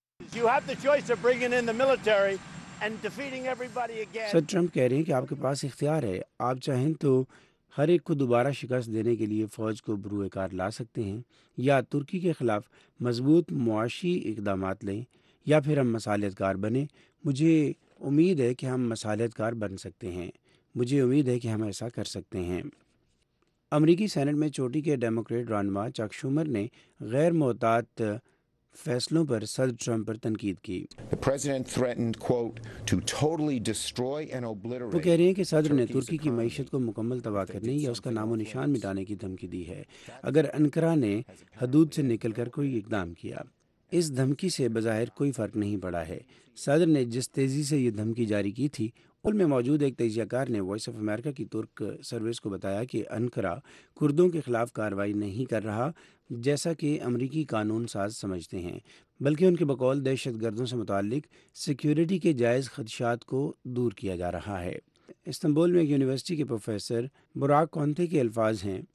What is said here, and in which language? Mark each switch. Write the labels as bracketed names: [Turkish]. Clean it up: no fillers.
[Urdu] صدر ٹرمپ کہہ رہے ہیں کہ آپ کے پاس اختیار ہے، آپ چاہیں تو ہر ایک کو دوبارہ شکست دینے کے لیے فوج کو بروئے کار لا سکتے ہیں، یا ترکی کے خلاف مضبوط معاشی اقدامات لیں، یا پھر ہم مصالحت کار بنیں۔ مجھے امید ہے کہ ہم مصالحت کار بن سکتے ہیں، مجھے امید ہے کہ ہم ایسا کر سکتے ہیں۔ امریکی سینٹ میں چوٹی کے ڈیموکریٹ رانوا چک شومر نے غیر محتاط فیصلوں پر صدر ٹرمپ پر تنقید کی۔ [English] The president threatened, quote, to totally destroy and obliterate۔ [Urdu] وہ کہہ رہے ہیں کہ صدر نے ترکی کی معیشت کو مکمل تباہ کرنے یا اس کا نام و نشان مٹانے کی دھمکی دی ہے اگر انکرا نے حدود سے نکل کر کوئی اقدام کیا۔ اس دھمکی سے بظاہر کوئی فرق نہیں پڑا ہے۔ صدر نے جس تیزی سے یہ دھمکی جاری کی تھی، پل میں موجود ایک تجزیہ کار نے وائس آف امریکہ کی ترک سروس کو بتایا کہ انکرا کردوں کے خلاف کارروائی نہیں کر رہا جیسا کہ امریکی قانون ساز سمجھتے ہیں، بلکہ ان کے بقول دہشت گردوں سے متعلق سیکیورٹی کے جائز خدشات کو دور کیا جا رہا ہے۔ استنبول میں ایک یونیورسٹی کے پروفیسر براک کونتے کے الفاظ ہیں،